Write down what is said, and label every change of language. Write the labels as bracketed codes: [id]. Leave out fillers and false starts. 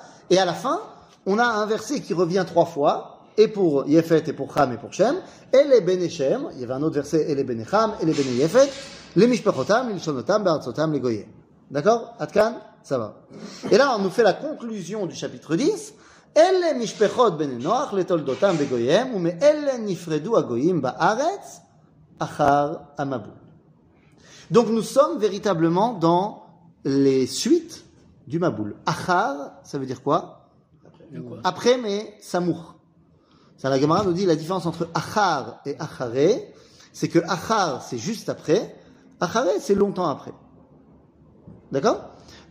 [fr] Et à la fin, on a un verset qui revient trois fois, et pour Yefet, et pour Ham, et pour Shem. Et les Benechem, il y avait un autre verset, et les Benecham, et les Beneyefet, les Mishpechotam, les Shonotam, Barzotam, les Goyem. D'accord ? Atkan ? Ça va. Et là, on nous fait la conclusion du chapitre 10. [he] אלה משפחות בני נוח לתולדותם בגויים, ומאלה נפרדו הגויים בארץ אחר המבול. [fr] Donc nous sommes véritablement dans les suites du Maboul. Achar, ça veut dire quoi ? Après, mais samour. La Gemara nous dit la différence entre achar et acharé, c'est que achar, c'est juste après, acharé, c'est longtemps après. D'accord ?